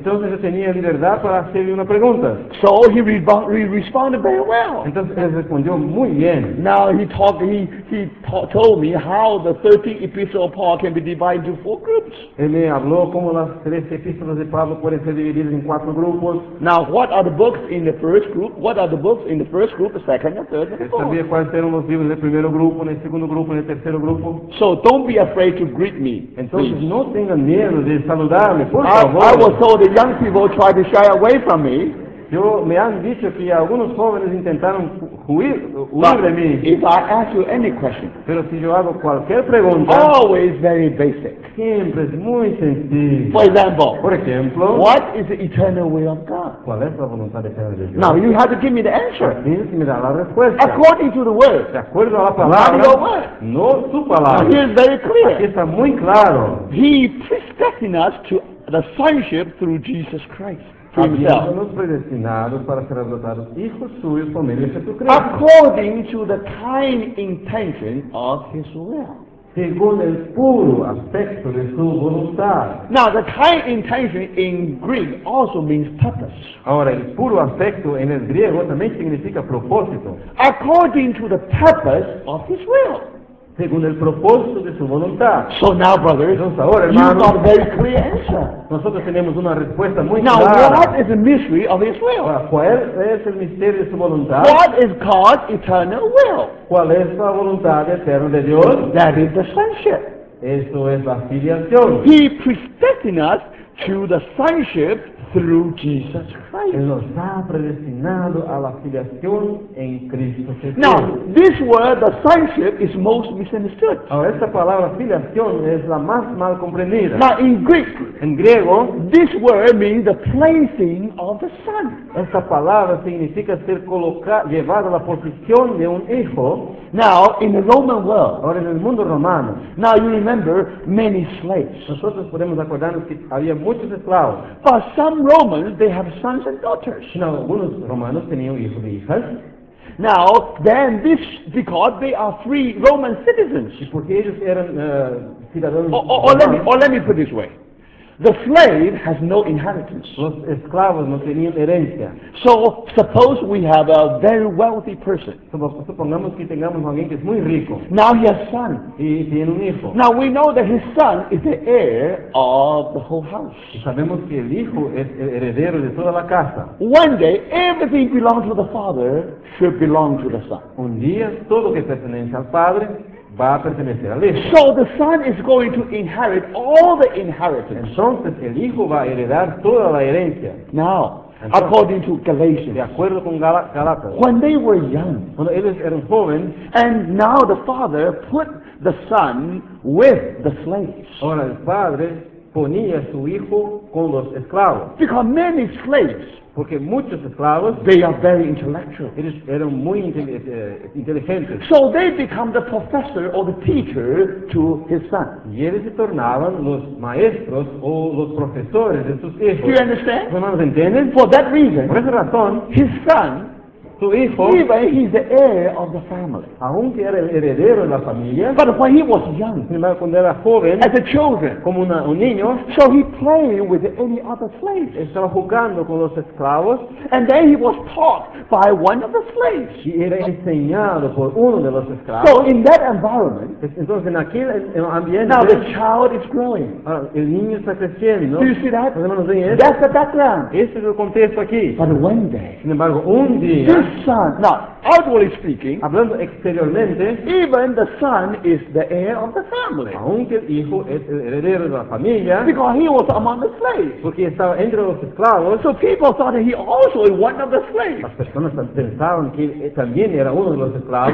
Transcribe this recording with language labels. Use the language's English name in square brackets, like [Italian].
[Spanish] Entonces yo tenía libertad para hacerle una pregunta. [English] So he responded very well. [Spanish] Entonces él respondió muy bien. [English] Now he told me how the 13 epistles of Paul can be divided into 4 groups. [Spanish] Él me habló cómo las 13 epístolas de Pablo pueden ser divididas en 4 grupos. [English] Now what are the books in the first group? What are the books in the first group, the second, the third, and the fourth? [Spanish] Sabía cuáles eran los libros del primer grupo, en el segundo grupo, en el tercer grupo. [English] So don't be afraid to greet me. [Spanish] Entonces [English] please. [Spanish] No tengan miedo de saludarme, por favor. [English] I was told the young people try to shy away from me. [Spanish] Yo me han dicho que algunos jóvenes intentaron huir de mí. [English] If I ask you any question, [Spanish] pero si yo hago cualquier pregunta, [English] always very basic. [Spanish] Siempre es muy sencillo. [English] For example, [Spanish] por ejemplo, [English] what is the eternal will of God? [Spanish] ¿Cuál es la voluntad eterna de Dios? [English] Now you have to give me the answer. [Spanish] Tienes que dar la respuesta. [English] According to the word. [Spanish] De acuerdo a la palabra. [English] Not your word. [Spanish] No su palabra. [English] Now, here's very clear. [Spanish] Aquí está muy claro. [English] He predestined us to the sonship through Jesus Christ. [Spanish] Habíamos predestinados para ser adoptados hijos suyos por medio de Jesucristo. [English] According to the kind intention of His will. [Spanish] Según el puro aspecto de su voluntad. [English] Now the kind intention in Greek also means purpose. [Spanish] Ahora el puro aspecto en el griego también significa propósito. [English] According to the purpose of His will. [Spanish] Según el propósito de su voluntad. [English] So now, brothers, [Spanish] entonces ahora, hermanos, [English] you got a very clear answer. [Spanish] Nosotros tenemos una respuesta muy [English] now, [Spanish] clara. [English] Now, what is the mystery of His will? [Spanish] ¿Cuál es el misterio de su voluntad? [English] What is God's eternal will? [Spanish] ¿Cuál es la voluntad eterna de Dios? [English] That is the sonship. [Spanish] Eso es la filiación. [English] He predestined us to the sonship through Jesus Christ. [Spanish] Él nos ha predestinado a la filiación en Cristo Jesús. [English] Now, this word, the sonship, is most misunderstood. [Spanish] Ahora, esta palabra filiación es la más mal comprendida. [English] Now, in Greek, [Spanish] en griego, [English] this word means the placing of the son. [Spanish] Esta palabra significa ser colocado, llevado a la posición de un hijo. [English] Now, in the Roman world, [Spanish] ahora en el mundo romano, [English] now you remember many slaves. [Spanish] Nosotros podemos acordarnos que había muchos esclavos. [English] But some Romans, they have sons and daughters. [Spanish] No, algunos romanos tenían hijos e hijas. [English] Now, then, this, because they are free Roman citizens. Let me put it this way. The slave has no inheritance. [Spanish] Los esclavos no tenían herencia. [English] So, suppose we have a very wealthy person. [Spanish] Supongamos que tengamos alguien que es muy rico. [English] Now he has a son. [Spanish] Y tiene un hijo. [English] Now we know that his son is the heir of the whole house. [Spanish] Y sabemos que el hijo es el heredero de toda la casa. [English] One day, everything belongs to the father should belong to the son. [Spanish] Un día, todo que pertenece al padre va a pertenecer al hijo. [English] So the son is going to inherit all the inheritance. [Spanish] Entonces el hijo va a heredar toda la herencia. [English] Now, entonces, according to Galatians, [Spanish] de acuerdo con Galatas, [English] when they were young, [Spanish] cuando ellos eran jóvenes, [English] and now the father put the son with the slaves. [Spanish] Ahora el padre ponía su hijo con los esclavos. [English] Because many slaves, [Spanish] porque muchos esclavos, [English] they are very intellectual. [Spanish] Ellos eran muy inteligentes. [English] So they become the professor or the teacher to his son. [Spanish] Y ellos se tornaban los maestros o los profesores de sus hijos. [English] Do you understand? [Spanish] ¿Hermanos entienden? [English] For that reason, [Spanish] por esa razón, [English] his son, [Spanish] su hijo, [English] even he's the heir of the family. [Spanish] Aunque era el heredero de la familia, [English] but when he was young, [Spanish] cuando era joven, [English] as a children, [Spanish] como un niño, [English] so he played with any other slaves. [Spanish] Estaba jugando con los esclavos, [English] and then he was taught by one of the slaves. [Spanish] Y era enseñado por uno de los esclavos. [English] So in that environment, [Spanish] entonces en aquel ambiente, [English] now the child is growing. [Spanish] El niño está creciendo. [English] Do you see that? [Spanish] Podemos ver eso. [English] That's the background. [Spanish] Ese es el contexto aquí. [English] But one day, [Spanish] sin embargo, un día. [English] His son, now, outwardly speaking, [Spanish] hablando exteriormente, [English] even the son is the heir of the family. [Spanish] Aunque el hijo es el heredero de la familia, [English] because he was among the slaves. [Spanish] Porque estaba entre los esclavos, [English] so people thought that he also was one of the slaves. [Spanish] Las personas pensaron que él también era uno de los esclavos.